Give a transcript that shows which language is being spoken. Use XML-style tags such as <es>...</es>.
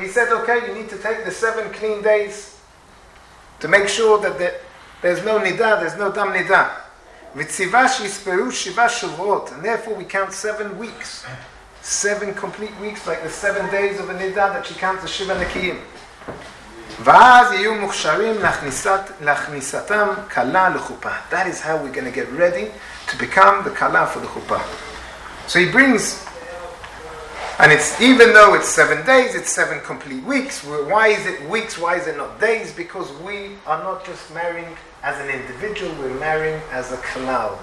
<en>He said, okay, you need to take the 7 clean days to make sure that there's no nida, there's no dam nida.</en> <he>V'tziva shisperu shiva shavuot.</he> <en>And therefore we count 7 weeks. 7 complete weeks, like the 7 days of a nida that she counts as shiva nekiim.</en> <he>ואז יהיו מוכשרים להכניסתם קלה לחופה.</he> <en>That is how we're going to get ready to become the kala for the chupa. So he brings, and it's even though it's 7 days, it's 7 complete weeks. Why is it weeks? Why is it not days? Because we are not just marrying as an individual, we're marrying as a kala.</en>